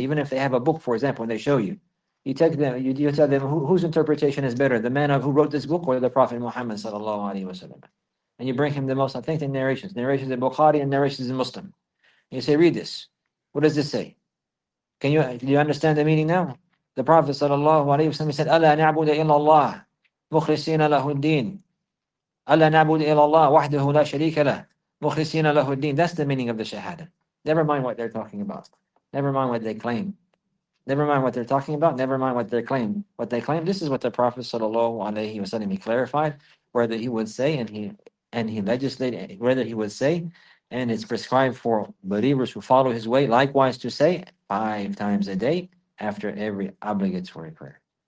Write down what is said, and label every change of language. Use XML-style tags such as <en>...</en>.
<en>Even if they have a book, for example, and they show you, you take them, you tell them whose interpretation is better, the man of who wrote this book or the Prophet Muhammad sallallahu alayhi wa sallam. And you bring him the most authentic narrations, narrations in Bukhari and narrations in Muslim. You say, read this. What does this say? Do you understand the meaning now? The Prophet sallallahu alayhi wa sallam said,</en> <ar>Allah na'buda illallah. مخلصين له الدين ألا نعبد إلا الله وحده لا شريك له مخلصين له الدين.</ar> <en>That's the meaning of the shahada. Never mind what they're talking about. Never mind what they claim. Never mind what they're talking about. Never mind what they claim. What they claim, this is what the Prophet sallallahu alaihi wasallam clarified, whether he would say and he legislated, whether he would say, and it's prescribed for believers who follow his way likewise to say 5 times a day after every obligatory prayer.</en>